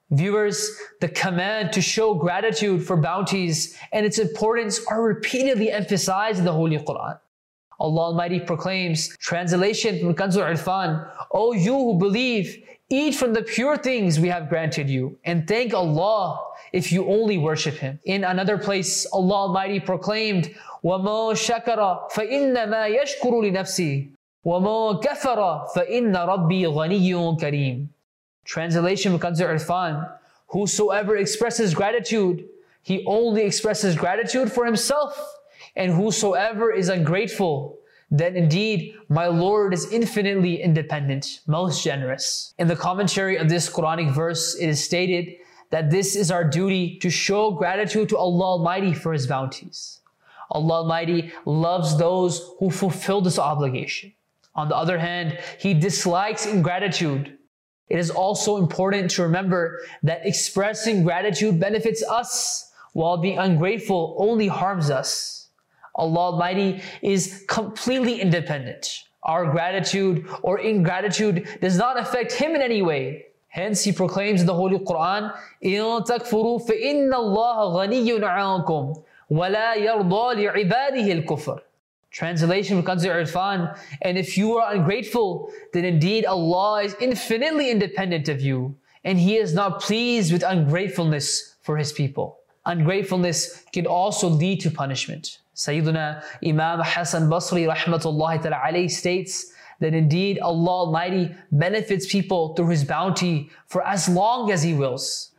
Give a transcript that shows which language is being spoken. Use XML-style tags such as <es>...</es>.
<en>Viewers, the command to show gratitude for bounties and its importance are repeatedly emphasized in the Holy Quran. Allah Almighty proclaims, translation from Kanzul Irfan, O you who believe, eat from the pure things we have granted you and thank Allah if you only worship Him. In another place, Allah Almighty proclaimed,</en> <ar>وَمَا شَكَرَ فَإِنَّمَا يَشْكُرُ لِنَفْسِي وَمَا كَفَرَ فَإِنَّ رَبِّي غَنِيٌّ كَرِيمٌ.</ar> <en>Translation of Kanzul Irfan, whosoever expresses gratitude, he only expresses gratitude for himself. And whosoever is ungrateful, then indeed, my Lord is infinitely independent, most generous. In the commentary of this Quranic verse, it is stated that this is our duty to show gratitude to Allah Almighty for His bounties. Allah Almighty loves those who fulfill this obligation. On the other hand, He dislikes ingratitude. It is also important to remember that expressing gratitude benefits us, while being ungrateful only harms us. Allah Almighty is completely independent. Our gratitude or ingratitude does not affect Him in any way. Hence, He proclaims in the Holy Quran,</en> <ar>إِن تَكْفُرُوا فَإِنَّ اللَّهَ غَنِيٌّ عَنْكُمْ وَلَا يَرْضَى لِعِبَادِهِ الْكُفْرِ.</ar> <en>Translation of Kanzul Irfan, and if you are ungrateful, then indeed Allah is infinitely independent of you, and He is not pleased with ungratefulness for His people. Ungratefulness can also lead to punishment. Sayyiduna Imam Hassan Basri rahmatullahi ta'ala alayhi states that indeed Allah Almighty benefits people through His bounty for as long as He wills.</en>